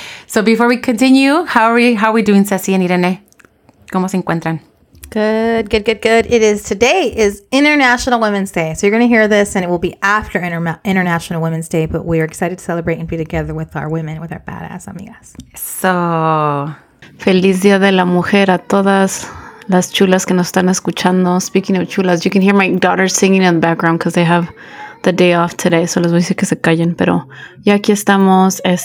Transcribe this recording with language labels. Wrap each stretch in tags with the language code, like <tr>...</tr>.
<en>So before we continue, how are we doing, Ceci and Irene?</en> <es>¿Cómo se encuentran?</es> <en>Good. It is, today is International Women's Day. So you're going to hear this and it will be after International Women's Day, but we are excited to celebrate and be together with our women, with our badass amigas. So,</en> <es>feliz Día de la Mujer a todas las chulas que nos están escuchando.</es> <en>Speaking of chulas, you can hear my daughter singing in the background because they have the day off today.</en> <es>So les voy a decir que se callen, pero ya aquí estamos.</es>